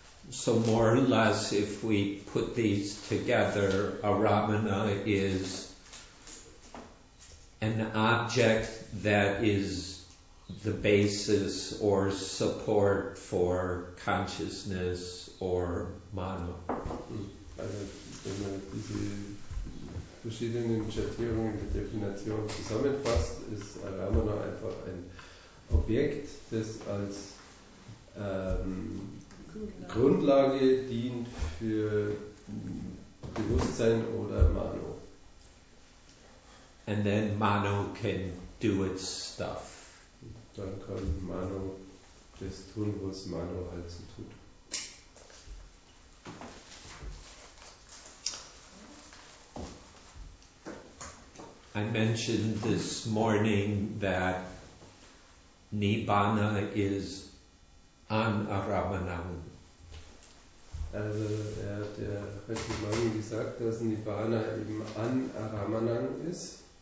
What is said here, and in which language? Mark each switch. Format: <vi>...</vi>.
<en>So more or less, if we put these together, Aramana is an object that is the basis or support for consciousness or Mano.</en> <de>Also wenn man diese verschiedenen Schattierungen der Definition zusammenfasst, ist Aramana einfach ein Objekt, das als Grundlage dient für Bewusstsein oder Mano.</de> <en>And then Mano can do its stuff.</en> <de>Dann kann Mano das tun, was Mano halt so tut.</de> <en>I mentioned this morning that Nibbana is anaramanam.</en> <de>Also er hat ja heute Morgen gesagt, dass Nibbana eben anaramanam ist.</de>